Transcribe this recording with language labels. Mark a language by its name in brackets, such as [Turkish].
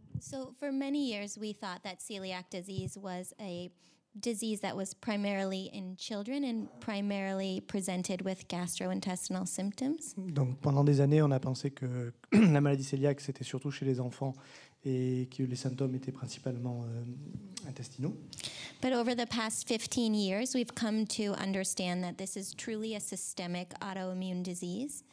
[English] So, for many years, we thought that celiac disease was a disease that was primarily in children and primarily presented with gastrointestinal symptoms. [French] Donc pendant des années, on a pensé que la maladie cœliaque c'était surtout chez les enfants et que les symptômes étaient principalement intestinaux. [English] But over the past 15 years, we've come to understand that this is truly a systemic autoimmune disease.